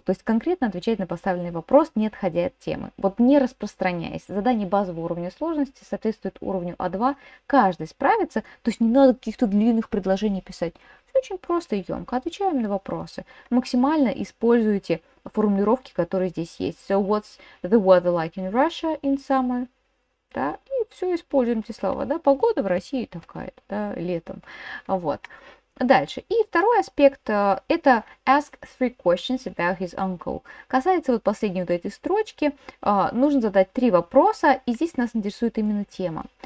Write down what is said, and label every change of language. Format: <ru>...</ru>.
<ru>То есть конкретно отвечать на поставленный вопрос, не отходя от темы. Вот не распространяясь. Задание базового уровня сложности соответствует уровню А2. Каждый справится, то есть не надо каких-то длинных предложений писать. Очень просто и емко. Отвечаем на вопросы. Максимально используйте формулировки, которые здесь есть.</ru> <en>So, what's the weather like in Russia in summer?</en> <ru>Да, и все, используем эти слова. Да, погода в России такая-то, да, летом. Вот. Дальше. И второй аспект это</ru> <en>ask three questions about his uncle.</en> <ru>Касается вот последней вот этой строчки, нужно задать три вопроса, и здесь нас интересует именно тема.</ru>